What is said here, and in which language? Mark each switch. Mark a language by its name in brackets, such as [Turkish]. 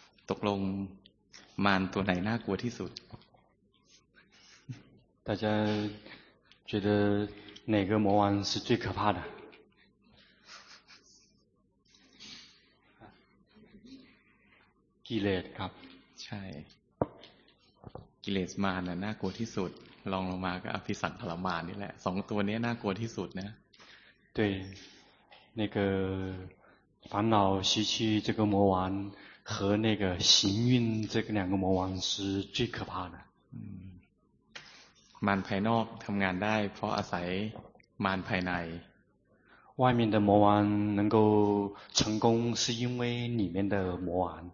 [Thai] ตกลงมารตัวไหนน่ากลัวที่สุด [Chinese] 大家觉得哪个魔王是最可怕的 [Thai] กิเลสครับ ใช่กิเลสมารน่ะน่ากลัวที่สุดรองลงมาก็อภิสังขารมารนี่แหละสองตัวนี้น่ากลัวที่สุดนะ [Chinese] 对那个烦恼习气这个魔王和那个行运这个两个魔王是最可怕的 [Thai] มารภายนอกทำงานได้เพราะอาศัยมารภายใน [Chinese] 外面的魔王能够成功是因为里面的魔王